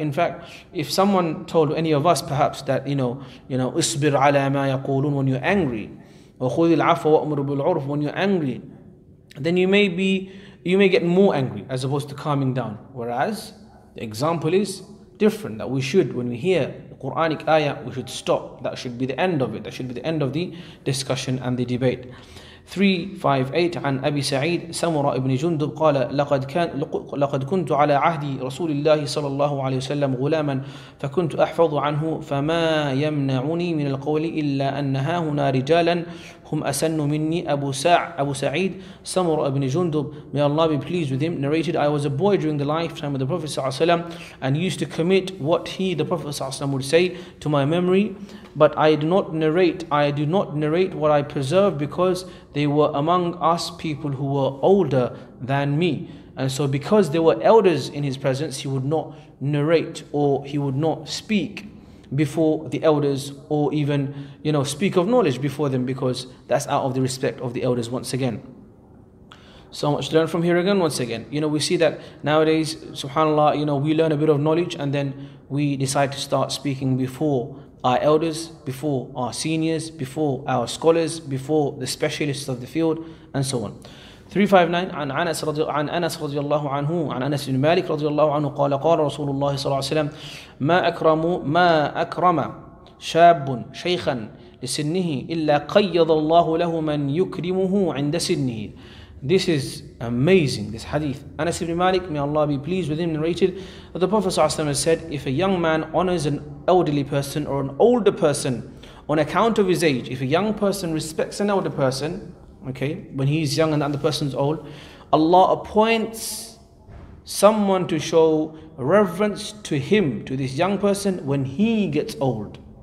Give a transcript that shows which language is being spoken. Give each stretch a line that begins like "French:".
English: In fact, if someone told any of us perhaps that, you know,
Arabic: isbir ala ma yaqulun,
English: when you're angry, or
Arabic: khudh al-afwa wa'mur bil-urf,
English: when you're angry, then you may get more angry as opposed to calming down. Whereas the example is different, that we should, when we hear the Quranic ayah, we should stop. That should be the end of it. That should be the end of the discussion and the debate.
Arabic: 358 عن أبي سعيد سمرة ابن جندب قال لقد كنت على عهد رسول الله صلى الله عليه وسلم غلاما فكنت أحفظ عنه فما يمنعني من القول إلا أنها هنا رجالا هم أسن مني أبو سعيد سمرة ابن جندب.
English: May Allah be pleased with him, narrated, I was a boy during the lifetime of the Prophet
Arabic: صلى الله عليه وسلم
English: and used to commit what he, the Prophet صلى الله عليه وسلم, would say to my memory. But I do not narrate what I preserve, because they were among us people who were older than me. And so because there were elders in his presence, he would not narrate or he would not speak before the elders, or even, you know, speak of knowledge before them, because that's out of the respect of the elders once again. So much to learn from here again, once again. You know, we see that nowadays, subhanAllah, you know, we learn a bit of knowledge and then we decide to start speaking before our elders, before our seniors, before our scholars, before the specialists of the field, and so on.
Arabic: 359 عن أنس رضي الله عنه عن أنس بن مالك رضي الله عنه قال قال رسول الله صلى الله عليه وسلم ما أكرم شاب شيخا لسنه إلا قيض الله له من يكرمه عند سنه.
English: This is amazing, this hadith. Anas ibn Malik, may Allah be pleased with him, narrated that the Prophet ﷺ has said, if a young man honors an elderly person or an older person on account of his age, if a young person respects an elder person, okay, when he's young and the other person's old, Allah appoints someone to show reverence to him, to this young person, when he gets old.